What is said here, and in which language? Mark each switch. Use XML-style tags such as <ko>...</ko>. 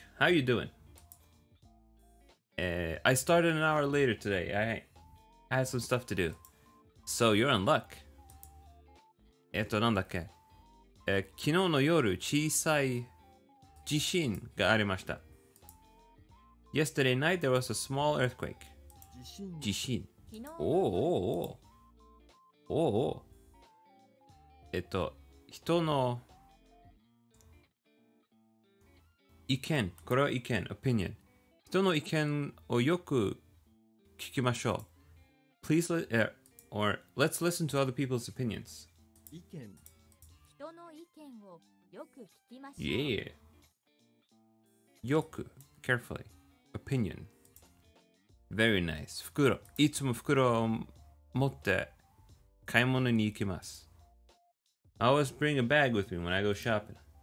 <en>How you doing?、I started an hour later today. I had some stuff to do. So you're in luck.</en> <ja>なんだっけ、昨日の夜、小さい地震がありました。</ja> <en>Yesterday night, there was a small earthquake.</en> <ja>地震。おおおお。おお。人の意見。これは意見。opinion。人の意見をよく聞きましょう。Please,</ja> <en>Or let's listen to other people's opinions.</en> <ja>意見。人の意見をよく聞きまし</ja> <en>ょう。Yeah. よく。Carefully. Opinion. Very nice. 袋。</en> <ja>いつも袋を持って買い物に行きます。</ja> <en>I always bring a bag with me when I go shopping.</en>